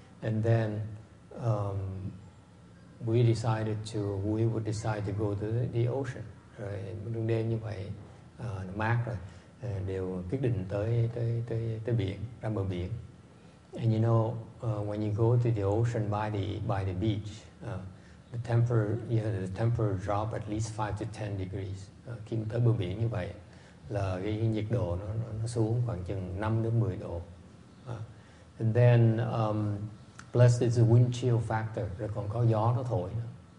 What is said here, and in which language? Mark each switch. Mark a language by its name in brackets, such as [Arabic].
[English] And then we would decide to go to the ocean. [Vietnamese] Rồi đường đêm như vậy mát rồi đều quyết định tới biển, ra bờ biển. [English] And you know, when you go to the ocean by the beach, the temperature drop at least 5 to 10 degrees. [Vietnamese] Khi mà tới bờ biển như vậy là cái nhiệt độ nó xuống khoảng chừng 5 đến 10 độ. [English] And then plus it's a wind chill factor, rồi còn có gió nó thổi nữa.